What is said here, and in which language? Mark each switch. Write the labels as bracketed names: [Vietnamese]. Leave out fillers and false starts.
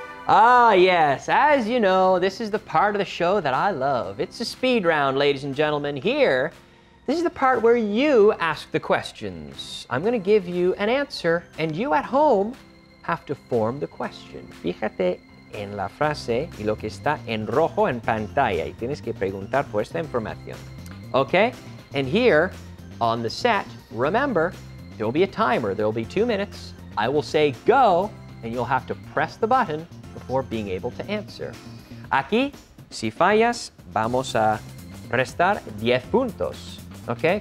[English] Ah, yes. As you know, this is the part of the show that I love. It's the speed round, ladies and gentlemen. Here, this is the part where you ask the questions. I'm going to give you an answer, and you at home have to form the question. [Spanish] Fíjate en la frase y lo que está en rojo en pantalla. Y tienes que preguntar por esta información. Okay? [English] And here, on the set, remember, there'll be a timer. There'll be 2 minutes. I will say go, and you'll have to press the button before being able to answer. [Spanish] Aquí, si fallas, vamos a restar 10 puntos. Okay?